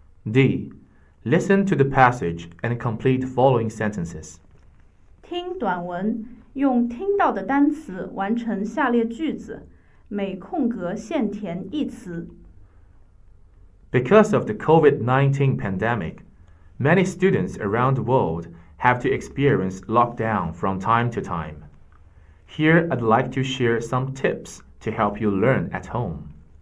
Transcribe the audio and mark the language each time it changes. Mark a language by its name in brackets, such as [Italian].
[English] D. Listen to the passage and complete following sentences. [Chinese] 听短文，用听到的单词完成下列句子，每空格限填一词。 [English] Because of the COVID-19 pandemic, many students around the world have to experience lockdown from time to time. Here, I'd like to share some tips to help you learn at home.